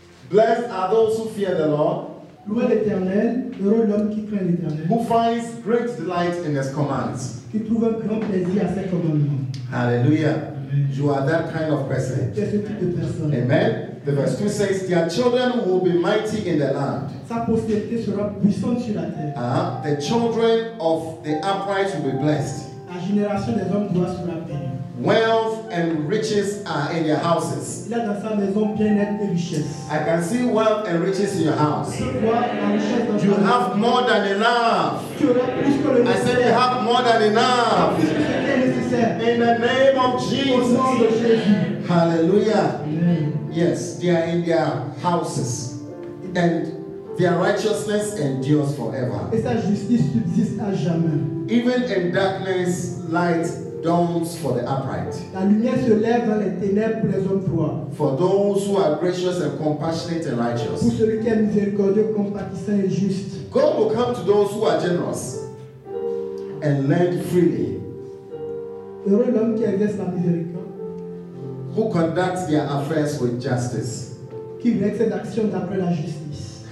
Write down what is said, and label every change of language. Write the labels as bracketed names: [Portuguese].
[English] Blessed are those who fear the Lord. [French] Louez l'Éternel, heureux l'homme qui craint l'Éternel. [English] Who finds great delight in his commands. [French] Qui trouve un grand plaisir à ses commandements. [English] Hallelujah. You are that kind of person. [French] Tu es ce type de personne. [English] Amen. The verse 2 says, their children will be mighty in the land. [French] Sa postérité sera puissante sur la terre. [English] The children of the upright will be blessed. [French] La génération des hommes droits sera bénie. [English] Wealth and riches are in your houses. [French] Là dans sa maison, bien-être et richesse. [English] I can see wealth and riches in your house. Amen. You have more than enough. [French] Tu auras plus que le nécessaire. [English] I said you have more than enough. [French] Plus que ce qui est nécessaire. [English] In the name of Jesus. [French] Au nom de Jésus. [English] Hallelujah. Amen. Yes, they are in their houses. And their righteousness endures forever. [French] Et sa justice subsiste à jamais. [English] Even in darkness, light dawns for the upright. [French] La lumière se lève dans les ténèbres pour les hommes droits. [English] For those who are gracious and compassionate and righteous. [French] Pour celui qui est miséricordieux, compatissant et juste. [English] God will come to those who are generous and lend freely. [French] Heureux l'homme qui exerce la miséricorde. [English] Who conducts their affairs with justice. [French] Qui règle ses actions d'après la justice.